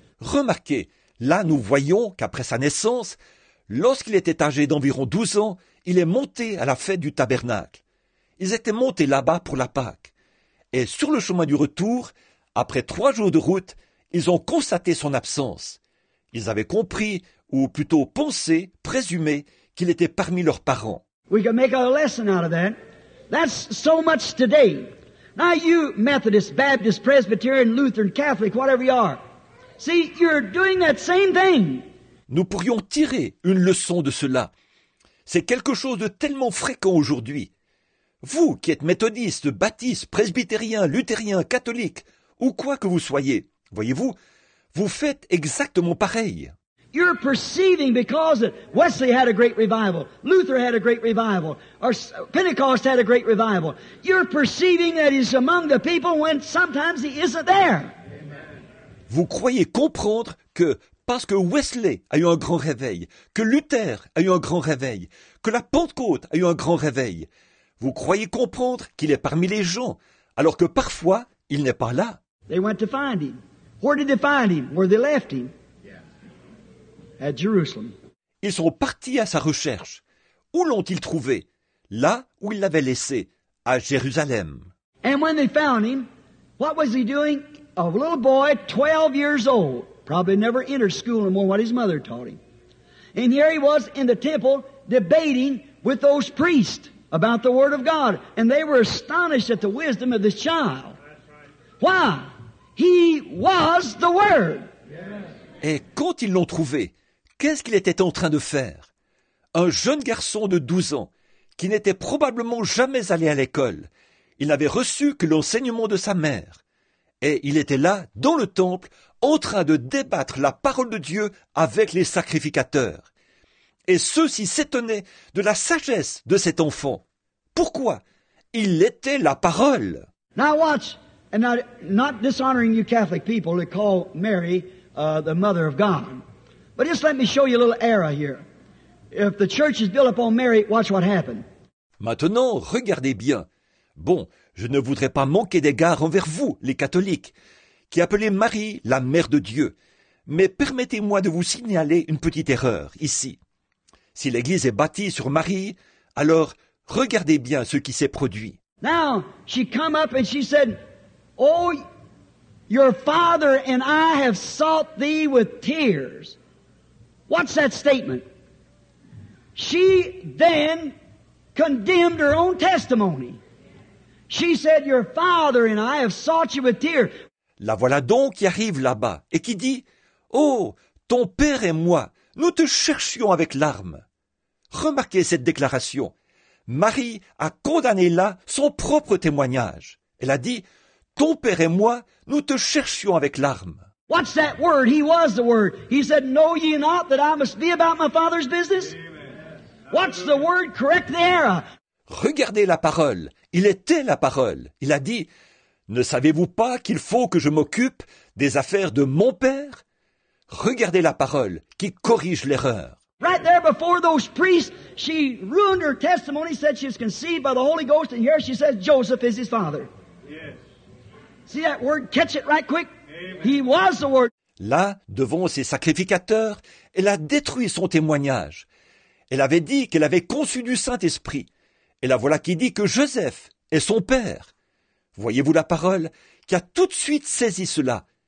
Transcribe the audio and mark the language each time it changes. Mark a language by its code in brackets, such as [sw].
[fr] Remarquez, là nous voyons qu'après sa naissance, lorsqu'il était âgé d'environ 12 ans, il est monté à la fête du tabernacle. Ils étaient montés là-bas pour la Pâque. Et sur le chemin du retour, après 3 jours de route, ils ont constaté son absence. Ils avaient compris, ou plutôt pensé, présumé, qu'il était parmi leurs parents. [en] We can make a lesson out of that. That's so much today. Now you, Methodist, Baptist, Presbyterian, Lutheran, Catholic, whatever you are. See, you're doing that same thing. [fr] Nous pourrions tirer une leçon de cela. C'est quelque chose de tellement fréquent aujourd'hui. Vous qui êtes méthodiste, baptiste, presbytérien, luthérien, catholique, ou quoi que vous soyez, voyez-vous, vous faites exactement pareil. [en] You're perceiving because Wesley had a great revival, Luther had a great revival, or Pentecost had a great revival. You're perceiving that he's among the people when sometimes he isn't there. [fr] Vous croyez comprendre que parce que Wesley a eu un grand réveil, que Luther a eu un grand réveil, que la Pentecôte a eu un grand réveil, vous croyez comprendre qu'il est parmi les gens, alors que parfois, il n'est pas là. [en] They went to find him. Where did they find him? Where they left him? At Jerusalem. [fr] Ils sont partis à sa recherche. Où l'ont-ils trouvé? Là où ils l'avaient laissé, à Jérusalem. [en] And when they found him, what was he doing? A little boy, 12 years old, probably never entered school anymore, what his mother taught him. And here he was in the temple debating with those priests about the word of God. And they were astonished at the wisdom of this child. Why? He was the word. [fr] Et quand ils l'ont trouvé, qu'est-ce qu'il était en train de faire? Un jeune garçon de 12 ans, qui n'était probablement jamais allé à l'école. Il n'avait reçu que l'enseignement de sa mère. Et il était là, dans le temple, en train de débattre la parole de Dieu avec les sacrificateurs. Et ceux-ci s'étonnaient de la sagesse de cet enfant. Pourquoi? Il était la parole. [en] Now watch, and not dishonoring you Catholic people that call Mary the mother of God. But just let me show you a little error here. If the church is built upon Mary, watch what happened. [fr] Maintenant, regardez bien. Bon, je ne voudrais pas manquer d'égard envers vous, les catholiques, qui appelez Marie la mère de Dieu. Mais permettez-moi de vous signaler une petite erreur ici. Si l'Église est bâtie sur Marie, alors regardez bien ce qui s'est produit. [en] Now, she come up and she said, Oh, your father and I have sought thee with tears. What's that statement? She then condemned her own testimony. She said, your father and I have sought you with tears. [fr] La voilà donc qui arrive là-bas et qui dit, oh, ton père et moi, nous te cherchions avec larmes. Remarquez cette déclaration. Marie a condamné là son propre témoignage. Elle a dit, ton père et moi, nous te cherchions avec larmes. [en] What's that word? He was the word. He said, know ye not that I must be about my father's business? What's the word? Correct the error. [fr] Regardez la parole. Il était la parole. Il a dit, ne savez-vous pas qu'il faut que je m'occupe des affaires de mon père? Regardez la parole qui corrige l'erreur. [en] Right there before those priests, she ruined her testimony, said she was conceived by the Holy Ghost, and here she says Joseph is his father. Yes. See that word? Catch it right quick. Amen. He was the word. [fr] Là, devant ses sacrificateurs, elle a détruit son témoignage. Elle avait dit qu'elle avait conçu du Saint-Esprit. Et la voilà qui dit que Joseph est son père. Voyez-vous la parole qui a tout de suite saisi cela.